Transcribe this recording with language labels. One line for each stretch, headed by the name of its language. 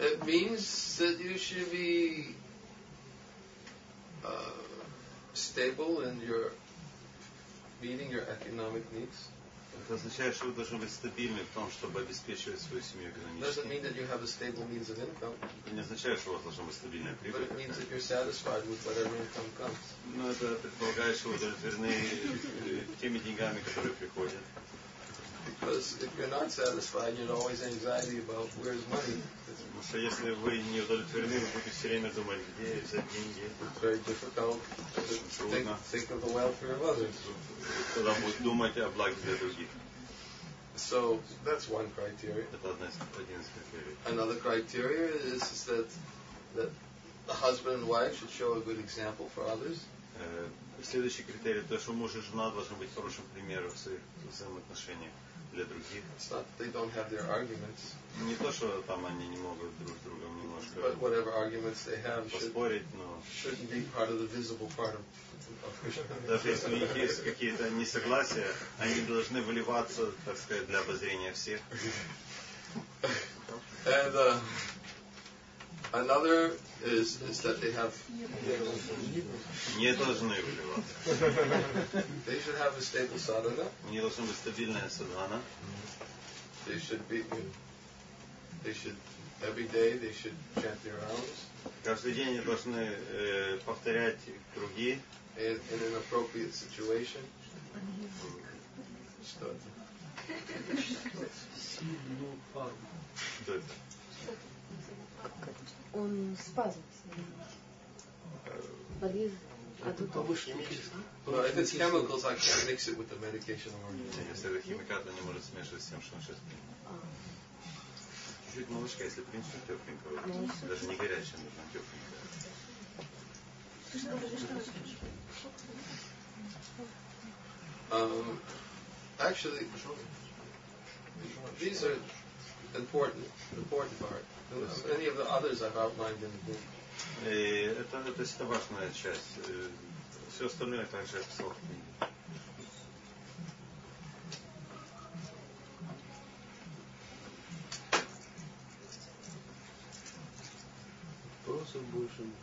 English: It means that you should be stable in your meeting your economic needs.
Russian: Это означает, что вы должны быть стабильны в том, чтобы обеспечивать свою семью экономически.
English: Doesn't mean that you have a stable means of income.
Russian: Это не означает, что у вас должна быть стабильная прибыль.
English: But it means that you're satisfied with whatever income comes.
Russian: Но это предполагает, что вы удовлетворены теми деньгами, которые приходят.
English: Because if you're not satisfied, you're always anxiety about where's money.
Russian: Потому что если вы не удовлетворены, вы будете все время думать, где взять деньги.
English: It's very difficult to think of the welfare of others.
Russian: Тогда будет думать о благе для других.
English: So that's one criteria.
Russian: Это одна из критериев.
English: Another criteria is that the husband and wife should show a good example for others.
Russian: Следующий критерий то, что муж и жена должны быть хорошим примером в своих взаимоотношениях. Для других.
English: It's not they don't have their arguments.
Russian: Не то, что там они не могут друг с другом немножко.
English: But whatever arguments they have
Russian: поспорить,
English: shouldn't be part of the visible part of
Russian: Даже если у них есть какие-то несогласия, они должны выливаться, так сказать, для обозрения всех.
English: And another is that they have
Russian: не должны выливаться.
English: They should have a stable sadhana.
Russian: У них должна быть стабильная садхана.
English: They should be they should every day they should chant their rounds.
Russian: Каждый день они должны повторять круги.
English: In an appropriate situation.
Russian: Что это? Сильную пару. Что это? Он спазм. Болез.
English: Well, if it's chemicals, I can't mix it with the medication.
Russian: Если это химикат, то не может смешивать с тем, что он сейчас пьет. Чуть-чуть молочка, если принципе тепленького. Даже не горячая, нужна тепленькая.
English: Actually, these are important part. Any of the others I've outlined in the book.
Russian: Это важная часть. Все остальное также описал в книге. Вопросов больше.